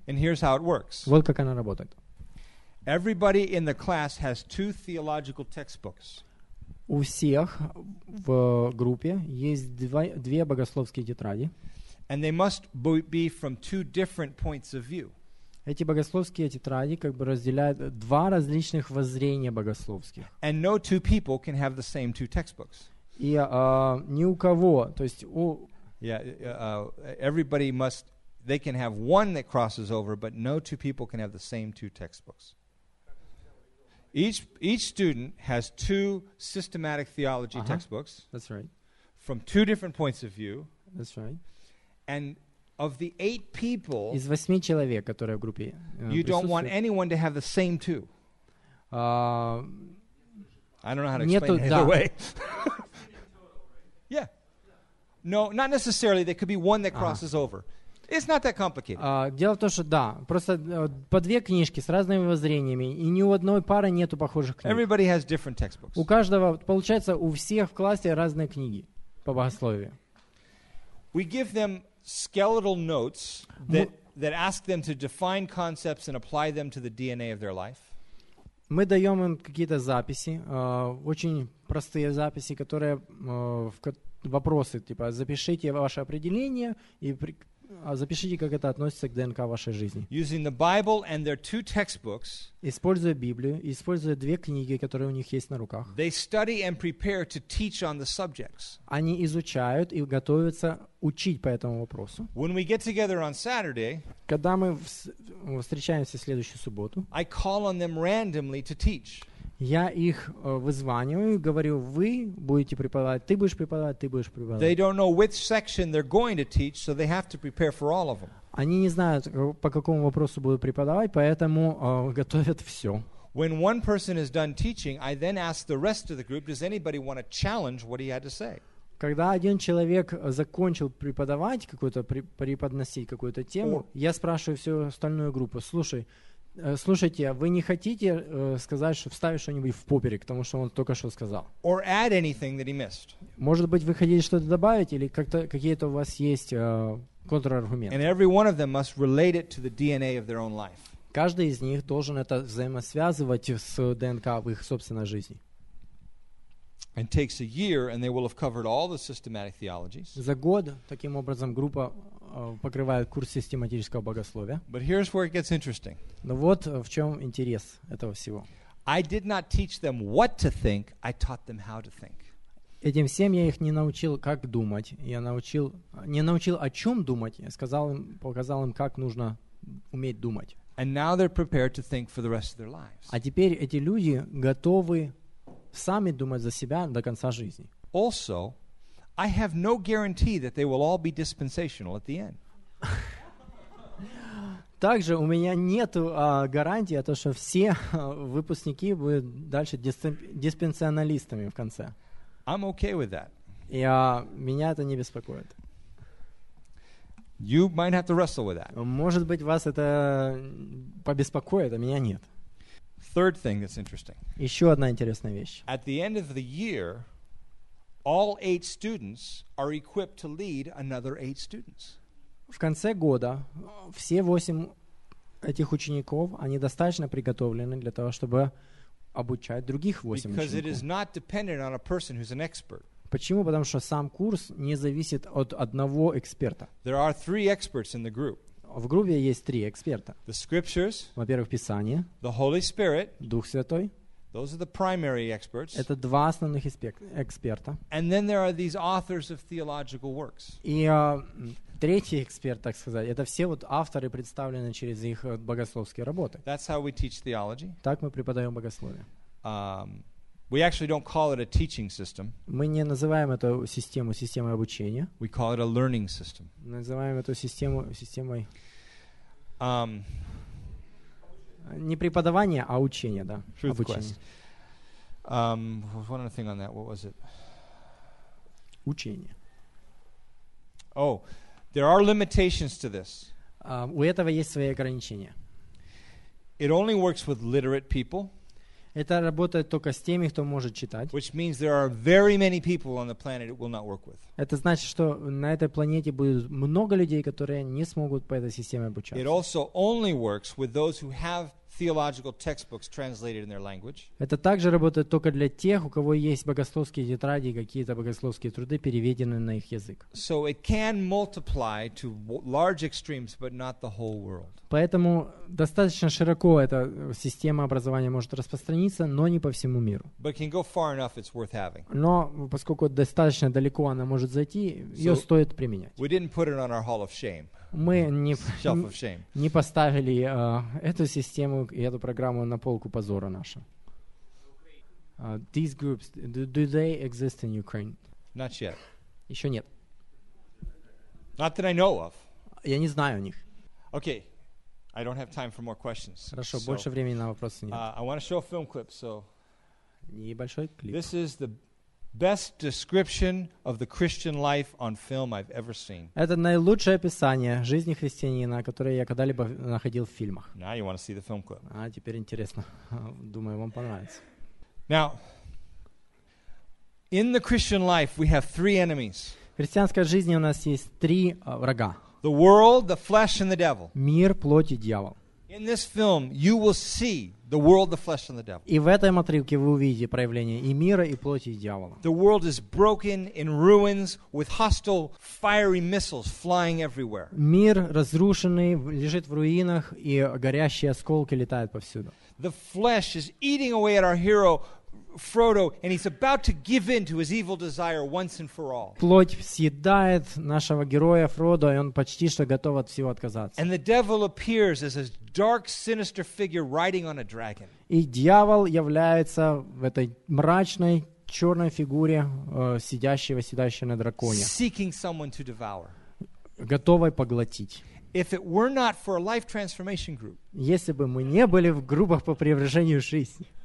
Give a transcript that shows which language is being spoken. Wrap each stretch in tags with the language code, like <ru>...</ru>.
<en>And here's how it works.</en> <ru>Вот как она работает.</ru> <en>Everybody in the class has two theological textbooks.</en> <ru>У всех в группе есть две богословские тетради.</ru> <en>And they must be from two different points of view.</en> <ru>Эти богословские тетради как бы разделяют два различных воззрения богословских.</ru> <en>And no two people can have the same two textbooks.</en> <ru>И ни у кого, то есть у...</ru> <en>Yeah, everybody must, they can have one that crosses over, but no two people can have the same two textbooks. Each student has two systematic theology uh-huh. textbooks. That's right. From two different points of view. That's right. And of the eight people,</en> <ru>из восьми человек, которые в группе,</ru> <en>you</en> <ru>присутствуют,</ru> <en>don't want anyone to have the same two. I don't know how to explain it either way. Yeah. No, not necessarily. There could be one that crosses uh-huh. over. It's not that complicated.</en> <ru>Дело в том, что да, просто по две книжки с разными воззрениями, и ни у одной пары нету похожих книг.</ru> <en>Everybody has different textbooks.</en> <ru>У каждого, получается, у всех в классе разные книги по богословию.</ru> <en>We give them skeletal notes that, that ask them to define concepts and apply them to the DNA of their life.</en> <ru>Мы даем им какие-то записи, очень простые записи, которые вопросы, типа, запишите ваше определение и запишите, как это относится к ДНК вашей жизни.</ru> <en>Using the Bible and their two textbooks,</en> <ru>используя Библию, используя две книги, которые у них есть на руках,</ru> <en>they study and prepare to teach on the subjects.</en> <ru>Они изучают и готовятся учить по этому вопросу.</ru> <en>When we get together on Saturday,</en> <ru>когда мы встречаемся в следующую субботу,</ru> <en>I call on them randomly to teach.</en> <ru>Я их вызваниваю, говорю, вы будете преподавать, ты будешь преподавать, ты будешь преподавать.</ru> <en>They don't know which section they're going to teach, so they have to prepare for all of them.</en> <ru>Они не знают, по какому вопросу будут преподавать, поэтому готовят все.</ru> <en>When one person is done teaching, I then ask the rest of the group, does anybody want to challenge what he had to say?</en> <ru>Когда один человек закончил преподавать какую-то, преподносить какую-то тему, я спрашиваю всю остальную группу, слушай, слушайте, вы не хотите сказать, что вставить что-нибудь в поперек, потому что он только что сказал?</ru> <en>Or add anything that he missed.</en> <ru>Может быть, вы хотите что-то добавить, или как-то, какие-то у вас есть контраргументы?</ru> <en>And every one of them must relate it to the DNA of their own life.</en> <ru>Каждый из них должен это взаимосвязывать с ДНК в их собственной жизни.</ru> <en>And takes a year, and they will have covered all the systematic theologies.</en> <ru>За год таким образом группа покрывает курс систематического богословия.</ru> <en>But here's where it gets interesting.</en> <ru>Но вот в чем интерес этого всего.</ru> <en>I did not teach them what to think. I taught them how to think.</en> <ru>Этим всем я их не научил, как думать. Я научил не научил о чем думать. Я сказал им, показал им, как нужно уметь думать.</ru> <en>And now they're prepared to think for the rest of their lives.</en> <ru>А теперь эти люди готовы сами думать за себя до конца жизни.</ru> <en>Also, I have no guarantee that they will all be dispensational at the end.</en> <ru>Также у меня нету гарантии о том, что все выпускники будут дальше диспенсионалистами в конце.</ru> <en>I'm okay with that.</en> <ru>Я меня это не беспокоит.</ru> <en>You might have to wrestle with that.</en> <ru>Может быть, вас это побеспокоит, а меня нет.</ru> <en>Third thing that's interesting.</en> <ru>Еще одна интересная вещь.</ru> <en>At the end of the year, all eight students are equipped to lead another eight students.</en> <ru>В конце года все восемь этих учеников, они достаточно приготовлены для того, чтобы обучать других восемь учеников.</ru> <en>Because it is not dependent on a person who's an expert.</en> <ru>Почему? Потому что сам курс не зависит от одного эксперта.</ru> <en>There are three experts in the group.</en> <ru>В группе есть три эксперта.</ru> <en>The scriptures,</en> <ru>во-первых, Писание,</ru> <en>the Holy Spirit,</en> <ru>Дух Святой.</ru> <en>Those are the primary experts.</en> <ru>Это два основных эксперта.</ru> <en>And then there are these authors of theological works.</en> <ru>И третий эксперт, так сказать, это все вот авторы, представленные через их богословские работы.</ru> <en>That's how we teach theology.</en> <ru>Так мы преподаем богословие.</ru> <en>We actually don't call it a teaching system.</en> <ru>Мы не называем эту систему системой обучения.</ru> <en>We call it a learning system.</en> <ru>Называем эту систему системой не преподавание, а учение, да,</ru> <en>truth</en> <ru>обучение.</ru> <en>Quest. One other thing on that. What was it?</en> <ru>Учение.</ru> <en>Oh, there are limitations to this.</en> <ru>У этого есть свои ограничения.</ru> <en>It only works with literate people.</en> <ru>Это работает только с теми, кто может читать.</ru> <en>Which means there are very many people on the planet it will not work with.</en> <ru>Это значит, что на этой планете будет много людей, которые не смогут по этой системе обучаться.</ru> <en>It also only works with those who have theological textbooks translated in their language.</en> <ru>Это также работает только для тех, у кого есть богословские тетради и какие-то богословские труды, переведенные на их язык.</ru> <en>So it can multiply to large extremes, but not the whole world.</en> <ru>Поэтому достаточно широко эта система образования может распространиться, но не по всему миру.</ru> <en>But can go far enough, it's worth having.</en> <ru>Но поскольку достаточно далеко она может зайти, ее</ru> <en>so</en> <ru>стоит применять.</ru> <en>We didn't put it on our hall of shame.</en> <ru>Мы не поставили эту систему и эту программу на полку позора наша.</ru> <en>These groups, do they exist in Ukraine? Not yet.</en> <ru>Еще нет.</ru> <en>Not that I know of.</en> <ru>Я не знаю о них.</ru> <en>Okay, I don't have time for more questions.</en> <ru>Хорошо, больше времени на вопросы нет.</ru> <en>I want to show a film clip, so.</en> <ru>Небольшой клип.</ru> <en>This is the best description of the Christian life on film I've ever seen.</en> <ru>Это наилучшее описание жизни христианина, которое я когда-либо находил в фильмах.</ru> <en>Now you want to see the film clip.</en> <ru>А теперь интересно. Думаю, вам понравится.</ru> <en>Now, in the Christian life, we have three enemies.</en> <ru>В христианской жизни у нас есть три врага.</ru> <en>The world, the flesh, and the devil.</en> <ru>Мир, плоть и дьявол.</ru> <en>In this film, you will see the world, the flesh, and the devil.</en> <ru>И в этой матрице вы увидите проявление и мира, и плоти, и дьявола.</ru> <en>The world is broken in ruins with hostile, fiery missiles flying everywhere.</en> <ru>Мир разрушенный, лежит в руинах, и горящие осколки летают повсюду.</ru> <en>The flesh is eating away at our hero, Frodo, and he's about to give in to his evil desire once and for all.</en> <ru>Плоть съедает нашего героя Фродо, и он почти что готов от всего отказаться.</ru> <en>And the devil appears as a dark, sinister figure riding on a dragon.</en> <ru>И дьявол является в этой мрачной черной фигуре, сидящего на драконе.</ru> <en>Seeking someone to devour.</en> <ru>Готовой поглотить.</ru> <en>If it were not for a life transformation group.</en> <ru>Если бы мы не были в группах по преображению жизни.</ru>